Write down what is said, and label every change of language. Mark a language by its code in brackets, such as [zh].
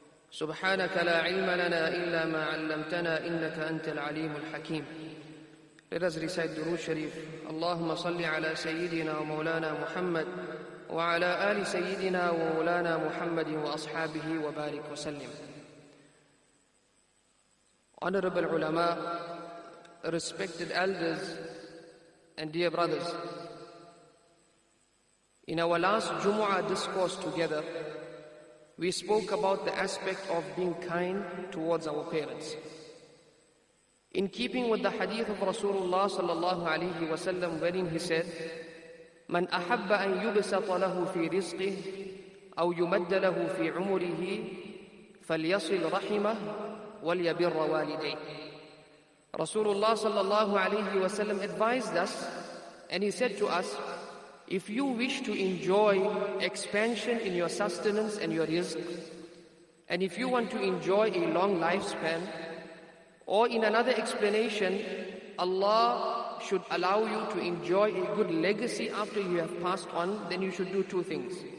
[ar] سبحانك لا علم لنا إلا ما علمتنا إنك أنت العليم الحكيم. لرزري سيد دروش شريف. اللهم صل على سيدنا ومولانا محمد وعلى آل سيدنا ومولانا محمد وأصحابه وبارك وسلم. [en] Honorable ulama, respected elders and dear brothers, in our last Jumu'ah discourse together, we spoke about the aspect of being kind towards our parents. In keeping with the hadith of Rasulullah sallallahu alayhi wa sallam, wherein he said, [ar] من أحب أن يبسط له في رزقه أو يمد له في عمره فليصل رحمه وليبر والديه. [en] Rasulullah sallallahu alayhi wa sallam advised us, and he said to us, if you wish to enjoy expansion in your sustenance and your rizq, and if you want to enjoy a long lifespan, or in another explanation, Allah should allow you to enjoy a good legacy after you have passed on, then you should do two things.